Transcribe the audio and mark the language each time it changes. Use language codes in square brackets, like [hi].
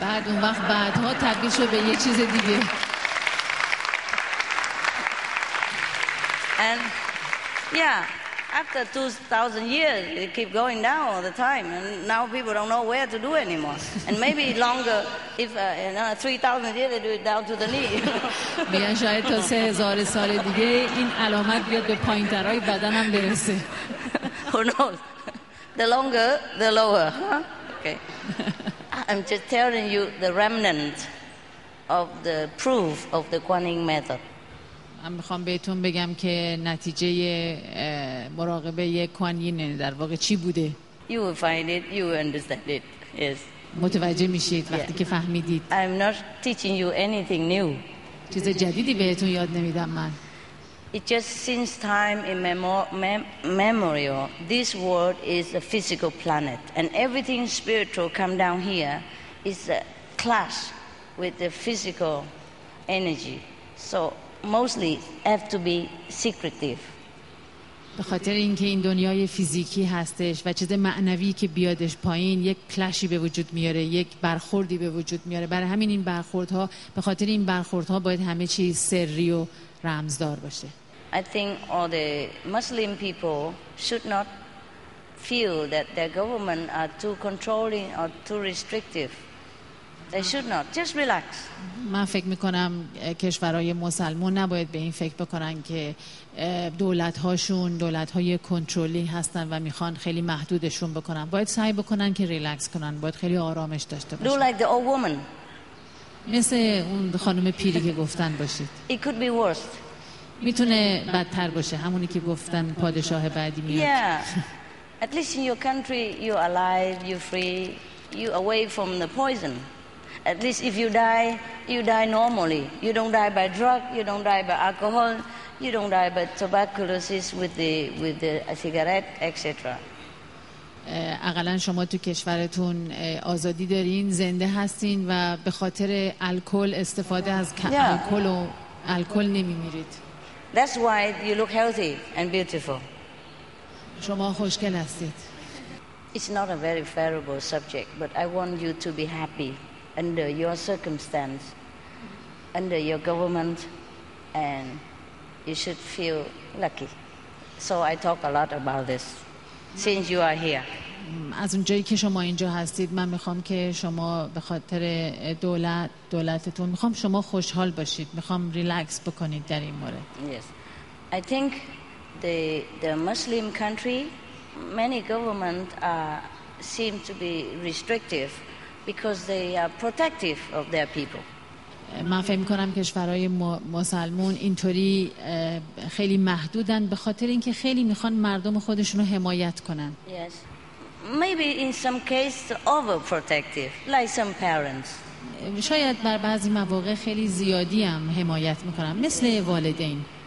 [fa] بعد اون وقت بعدها تبدیل شد به یه چیز دیگه. [en] And yeah, after 2,000 years it keep going down all the time, and now people don't know where to do anymore. And maybe longer, if another 3,000 years they do it down to the knee. [fa] میگن شاید تا 3,000 سال دیگه این علامت بیاد به پایین ترهای بدنم برسه. [en] Who knows? The longer, the lower. Huh? Okay. I'm just telling you the remnant of the proof of the Kuan Yin method. [fa] من میخوام بهتون بگم که نتیجه مراقبه کوان یین در واقع چی بوده. [en] You will find it, you will understand it. Yes. [fa] متوجه میشید وقتی که فهمیدید. [en] I'm not teaching you anything new. [fa] چیز جدیدی بهتون یاد نمیدم من. [en] It just since time immemorial, this world is a physical planet, and everything spiritual come down here is a clash with the physical energy. So mostly have to be secretive. [fa] به خاطر اینکه این دنیای فیزیکی هستش و چیز معنوی که بیادش پایین، یک کلشی به وجود میاره، یک برخوردی به وجود میاره. برای همین این برخوردها، به خاطر این برخوردها باید همه چیز سری و رمزدار باشه. [en] I think all the Muslim people should not feel that their government are too controlling or too restrictive. They should not. Just relax. [fa] من فکر میکنم کشورهای مسلمان نباید به این فکر بکنن که دولت‌هاشون دولت‌های کنترلی هستن و میخوان خیلی محدودشون بکنن. باید سعی بکنن که ریلکس کنن. باید خیلی آرامش داشته باشن. [en] Do like the old woman. [fa] مثل اون خانم پیری که گفتن باشید. [en] It could be worse. [fa] میتونه بدتر باشه، همونی که گفتن پادشاه بعدی میاد. [en] Yeah. At least in your country you are alive, you free, you away from the poison. At least if you die, you die normally. You don't die by drug, you don't die by alcohol, you don't die by tuberculosis with the cigarette, etc. [fa] اقلن شما تو کشورتون آزادی دارین، زنده هستین و به خاطر الکل استفاده از الکل و الکل نمیمیرید. [en] That's why you look healthy and beautiful. [fa] شما خوشگل هستید. [en] It's not a very favorable subject, but I want you to be happy under your circumstance, under your government, and you should feel lucky. So I talk a lot about this since you are here. [fa] از اونجایی که شما اینجا هستید، من میخوام که شما به خاطر دولتتون میخوام شما خوشحال باشید، میخوام ریلکس بکنید در این مورد. [en] Yes. I think the Muslim country, many government seem to be restrictive because they are protective of their people. [fa] من فهم میکنم کشورهای مسلمون اینطوری خیلی محدودن به خاطر اینکه خیلی میخوان مردم خودشونو حمایت کنن. [en] Yes. Maybe in some cases overprotective, like some parents. [fa] شاید بر بعضی مواقع خیلی زیادی هم حمایت میکنم مثل والدین.